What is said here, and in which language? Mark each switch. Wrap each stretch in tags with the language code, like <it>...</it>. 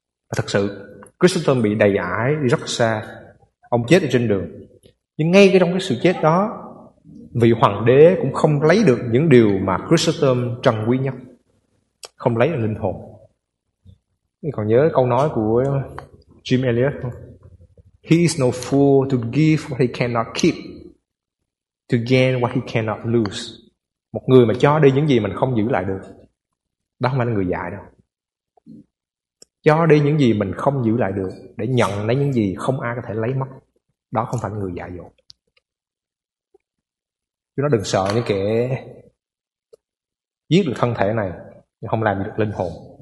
<vi>Và thật sự, Chrysostom bị đầy ải đi rất xa. Ông chết ở trên đường. Nhưng ngay trong cái sự chết đó, vị hoàng đế cũng không lấy được những điều mà Chrysostom trân quý nhất. Không lấy được linh hồn. Mình còn nhớ câu nói của Jim Elliot không?</vi> <en>"He is no fool to give what he cannot keep, to gain what he cannot lose."</en> <vi>Một người mà cho đi những gì mình không giữ lại được, đó không phải là người dại đâu. Cho đi những gì mình không giữ lại được để nhận lấy những gì không ai có thể lấy mất, đó không phải là người dại dột. Chúng nó đừng sợ những kẻ giết được thân thể này nhưng không làm được linh hồn.</vi>